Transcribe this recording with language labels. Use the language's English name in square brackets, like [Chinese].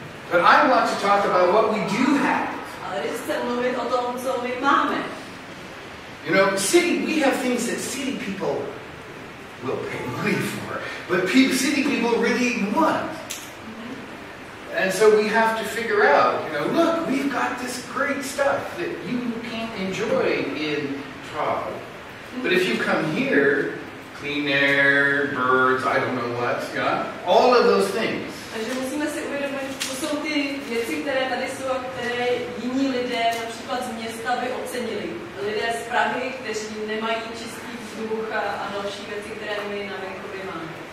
[English] But I want to talk about what we do have. [Czech] Ale když chci mluvit o tom, co my máme. [English] You know, city, we have things that city people will pay money for, but city people really want. And so we have to figure out, you know, look, we've got this great stuff that you can't enjoy in Prague. But if you come here, clean air, birds, I don't know what, yeah, all of those things. [Czech] Takže musíme si uvědomit, co jsou ty věci, které tady jsou a které jiní lidé, například z města, by ocenili. Lidé z Prahy, kteří nemají čistý vzduch a další věci, které my na venkově máme.